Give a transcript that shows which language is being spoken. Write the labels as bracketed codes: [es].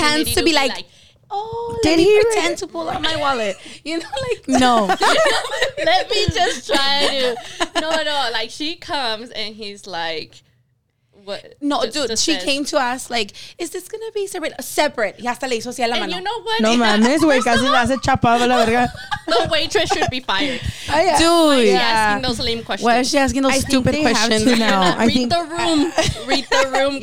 [en] The chance to be like, oh, did he pretend to pull out my wallet? You know, like, no. Let me just try to. No. Like, she comes and he's like, what? No, just she says, came to us like, is this going to be separate? [es] Ya hasta le hizo así a la mano. [en] You know what? [es] No mames, güey, casi la hace chapada la verga. [en] The waitress should be fired. Oh, yeah. Dude. Why is she asking those lame questions? Why is she asking those stupid questions? I think read the room. Read the room, girlfriend.